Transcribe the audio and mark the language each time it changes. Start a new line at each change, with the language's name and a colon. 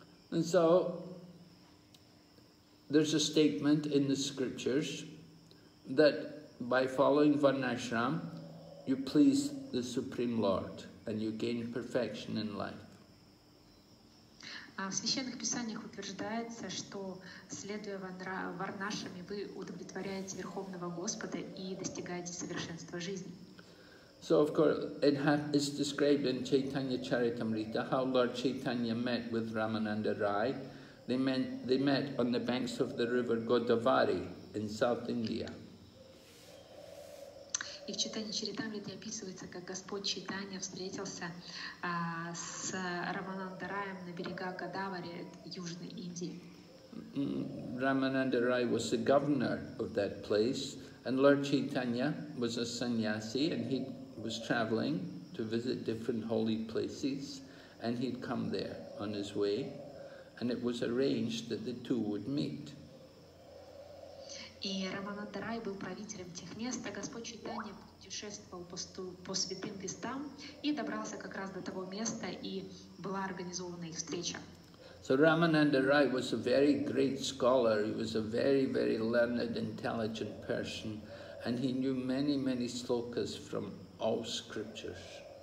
English: And so, there's a statement in the scriptures that by following Varnashram, you please the Supreme Lord and you gain perfection in life.
Russian: В священных писаниях утверждается, что следуя варнашами, вы удовлетворяете Верховного Господа и достигаете совершенства жизни.
English: So of course, it's described in Chaitanya Charitamrita how Lord Chaitanya met with Ramananda Rai. They met on the banks of the river Godavari in South India.
Russian: И в Чайтанья Чаритамрите описывается, как Господь Чайтанья встретился с Рамананда Раем на берегах Годавари в Южной Индии.
English: Рамананда Рай was the governor of that place, and Lord Chaitanya was a sannyasi, and he was traveling to visit different holy places, and he'd come there on his way, and it was arranged that the two would meet.
Russian: И Рамананда Рай был правителем тех мест, а Господь Чайтанья путешествовал по святым местам и добрался как раз до того места, и была организована их встреча.
English: So Рамананда Рай was a very great scholar. He was a very, very learned, intelligent person, and he knew many, many slokas from all scriptures.